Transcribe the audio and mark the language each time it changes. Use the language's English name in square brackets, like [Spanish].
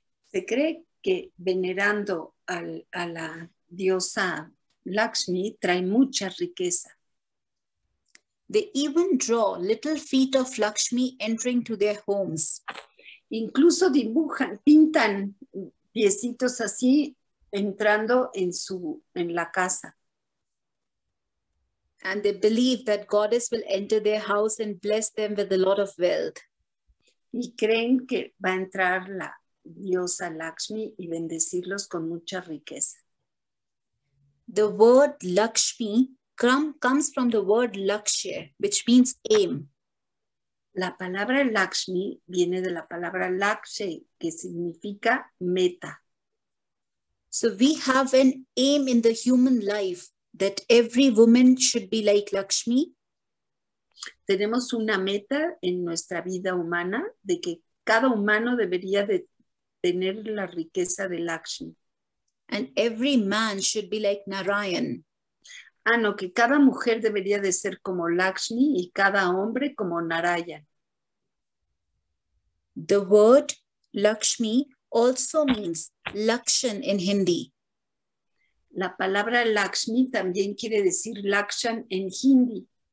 [Spanish] Se cree que venerando a la diosa Lakshmi trae mucha riqueza. [English] They even draw little feet of Lakshmi entering to their homes. [Spanish] Incluso dibujan, pintan piecitos así entrando en la casa. [English] And they believe that goddess will enter their house and bless them with a lot of wealth. [Spanish] Y creen que va a entrar la diosa Lakshmi y bendecirlos con mucha riqueza. [English] The word Lakshmi comes from the word Lakshya, which means aim. [Spanish] La palabra Lakshmi viene de la palabra Lakshya, que significa meta. [English] So we have an aim in the human life. That every woman should be like Lakshmi. [Spanish] Tenemos una meta en nuestra vida humana de que cada humano debería de tener la riqueza de Lakshmi. [English] And every man should be like Narayan. [Spanish] Ah, no, que cada mujer debería de ser como Lakshmi y cada hombre como Narayan. [English] The word Lakshmi also means Lakshan in Hindi. [Spanish] La palabra Lakshmi también quiere decir Lakshan en Hindi.